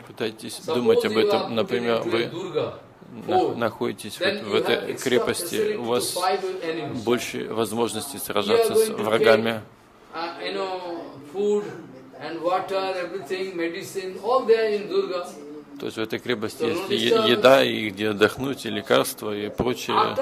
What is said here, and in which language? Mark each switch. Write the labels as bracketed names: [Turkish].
[Russian] Пытайтесь думать об этом. Например, вы находитесь в этой крепости, у вас больше возможностей сражаться с врагами. [English] you know, food and water, everything, medicine, all there in Durga. [Russian] То есть в этой крепости есть еда, и где отдохнуть, и лекарства, и прочее.